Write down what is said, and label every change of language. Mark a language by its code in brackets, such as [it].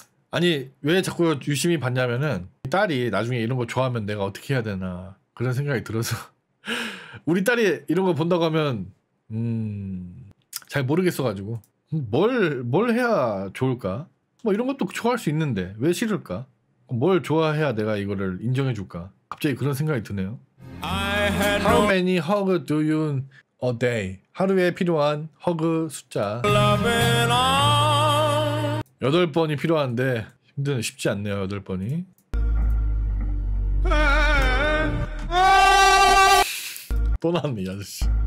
[ko] 아니 왜 자꾸 유심히 봤냐면은 딸이 나중에 이런 거 좋아하면 내가 어떻게 해야 되나 그런 생각이 들어서. 우리 딸이 이런 거 본다고 하면 잘 모르겠어가지고 뭘 해야 좋을까? 뭐 이런 것도 좋아할 수 있는데 왜 싫을까? 뭘 좋아해야 내가 이거를 인정해줄까? 갑자기 그런 생각이 드네요. [en] How many hugs do you a day? [ko] 하루에 필요한 허그 숫자 8번이 필요한데 힘든 쉽지 않네요. 8번이 또 나왔네 이 아저씨.